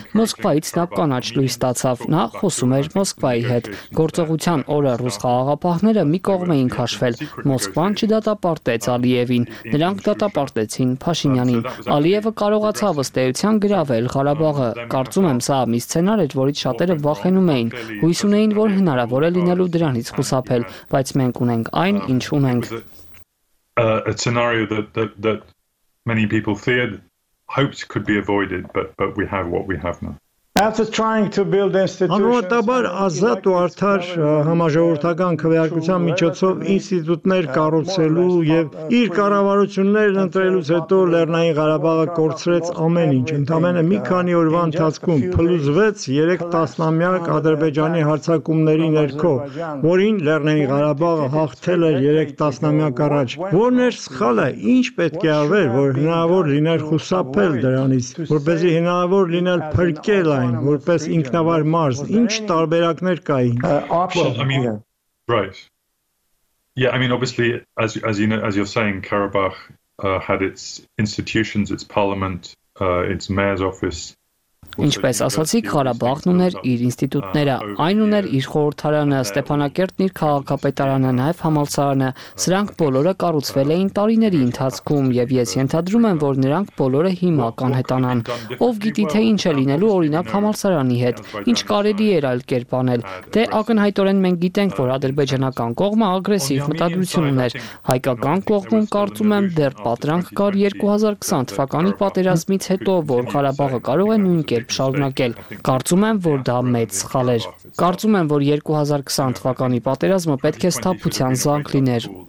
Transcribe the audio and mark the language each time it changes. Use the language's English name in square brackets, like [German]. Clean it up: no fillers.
[Armenian] Մոսկվայից նա կանաչ լույս ստացավ, նա խոսում էր Մոսկվայի հետ։ Գործողության օրը ռուս խաղաղապահները մի կողմ էին քաշվել։ Մոսկվան չդատապարտեց Ալիևին, նրանք դատապարտեցին Փաշինյանին։ Ալիևը կարողացավ ըստ էության գրավել Ղարաբաղը։ Կարծում եմ, սա մի սցենար էր, որից շատերը վախենում էին, հույս ունեին, որ հնարավոր է լինելու դրանից խուսափել, բայց մենք ունենք այն, ինչ ունենք։ [English] A scenario that many people feared, hoped could be avoided, but we have what we have now. After trying to build institutions, [Armenian] ամեն դաբար ազատ ու արդար համաժողովրդական քվեարկության միջոցով ինստիտուտներ կառուցելու եւ իր կառավարություններն ընտրելուց հետո Լեռնային Ղարաբաղը կորցրեց ամեն ինչ։ Ընդամենը մի քանի օրվա ընթացքում փլուզվեց 3 տասնամյակ Ադրբեջանի հարձակումների ներքո, որին Լեռնային Ղարաբաղը հաղթել էր 3 տասնամյակ առաջ։ Որն էր սխալը, ինչ պետք է արվեր, որ հնարավոր լիներ խուսափել դրանից, որպեսզի հնարավոր լիներ փրկել այն որպես ինքնավար մարզ, ինչ տարբերակներ կային։ [English] Right. Yeah, I mean obviously as you know, as you're saying, Karabakh had its institutions, its parliament, its mayor's office. [Armenian] Ինչպես ասացի, Ղարաբաղն ուներ իր ինստիտուտները, այն ուներ իր խորհրդարանը, Ստեփանակերտն իր քաղաքապետարանը, նաև համալսարանը։ Սրանք բոլորը կառուցվել էին տարիների ընթացքում, եւ ես ենթադրում եմ, որ նրանք բոլորը հիմա կանհետանան։ Ով գիտի, թե ինչ է լինելու օրինակ համալսարանի հետ, ինչ կարելի էր այլ կերպ անել։ Դե ակնհայտորեն մենք գիտենք, որ ադրբեջանական կողմը ագրեսիվ մտադրություն ուներ, հայկական կողմում կարծում եմ դեռ պատրանք կար 2020 թվականի պատերազմից հետո, որ Ղարաբաղը կարող է կերպ շարունակել։ Կարծում եմ, որ դա մեծ սխալ էր։ Կարծում եմ, որ 2020 թվականի պատերազմը պետք է սթափության զանգ լիներ,